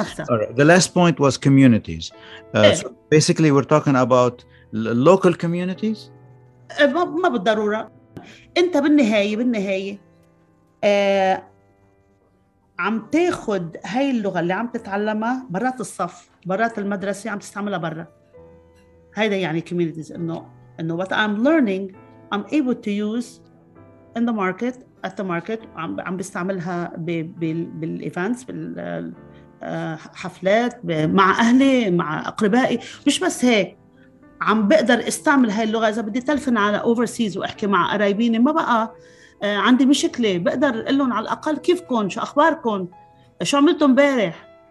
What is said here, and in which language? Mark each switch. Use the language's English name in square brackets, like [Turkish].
[English] All right. The last point was communities. So basically, we're talking about local communities. [Arabic] ما بالضرورة. أنت بالنهاية عم تاخد هاي اللغة اللي عم تتعلمها برات الصف، برات المدرسة، عم تستعملها برا. هذا يعني communities. [English] إنه what I'm learning, I'm able to use in the market. At the market [Arabic] عم بستعملها بالإيفانتس بالحفلات مع أهلي مع أقربائي. مش بس هيك، عم بقدر استعمل هاي اللغة إذا بدي تلفن على overseas وأحكي مع قرايبيني، ما بقى عندي مشكلة، بقدر أقول لهم على الأقل كيفكن، شو أخباركن، شو عملتم بارح.